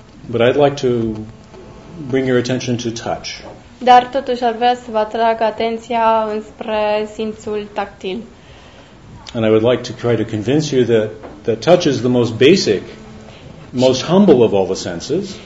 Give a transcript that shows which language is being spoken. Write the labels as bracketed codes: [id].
[en] But I'd like to bring your attention to touch. [ro] Dar totuși ar vrea să vă atrag atenția înspre simțul tactil. [en] And I would like to try to convince you that touch is the most basic, most humble of all the senses.